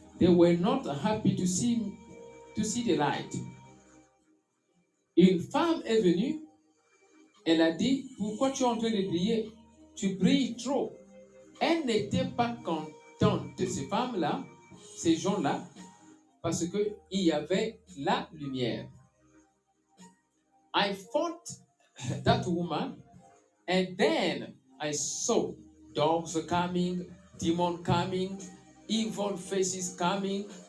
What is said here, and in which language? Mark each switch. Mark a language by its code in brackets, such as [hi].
[en] They were not happy to see the light. [fr] Une femme est venue, elle a dit, pourquoi tu es en train de briller? Tu brilles trop. Elle n'était pas contente de ces femmes-là, ces gens-là, parce qu'il y avait la lumière. [en] I fought that woman, and then I saw dogs coming, demons coming, evil faces coming.